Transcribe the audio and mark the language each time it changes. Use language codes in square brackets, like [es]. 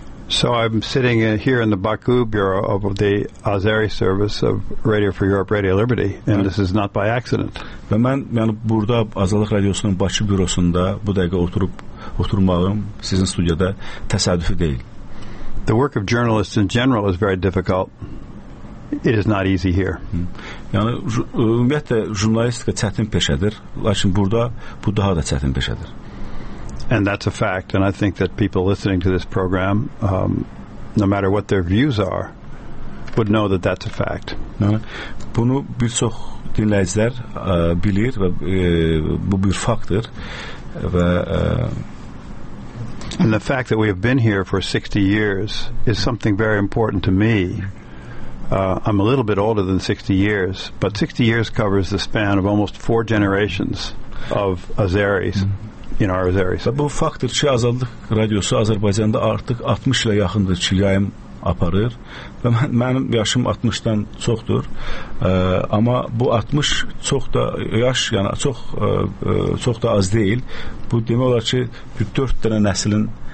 [en] So I'm sitting here in the Baku bureau of the Azeri service of Radio for Europe, Radio Liberty, and this is not by accident. [az] Və mən yəni burada Azadlıq Radiosunun Bakı bürosunda bu dəqiqə oturmağım sizin studiyada təsadüfi deyil. [en] The work of journalists in general is very difficult. It is not easy here. [az] Yəni ümumiyyətlə jurnalistika çətin peşədir, lakin burada bu daha da çətin peşədir. [en] And that's a fact, and I think that people listening to this program, no matter what their views are, would know that that's a fact. [az] Bunu bir çox dinləyicilər bilir və bu bir faktdır və [en] And the fact that we have been here for 60 years is something very important to me. I'm a little bit older than 60 years, but 60 years covers the span of almost four generations of Azeris. Mm-hmm. In our Azeris. [az] Bu faktır ki, Azadlıq Radiosu Azərbaycanda artıq 60 ilə yaxındır ki, yayım aparır. Və mənim yaşım 60-dan çoxdur. Amma bu 60 çox da yaş, yəni çox çox da az deyil. Bu demək olar ki, 4 dənə nəslin